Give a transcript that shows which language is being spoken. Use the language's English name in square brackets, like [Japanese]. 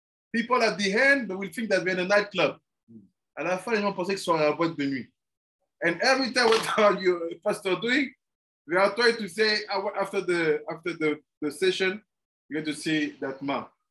[English] People at the end will think that we're in a nightclub. [French] À la fin, ils vont penser qu'ils sont à la boîte de nuit. [English] And every time what are you, pastor, doing, we are trying to say after the session, you have to see that ma.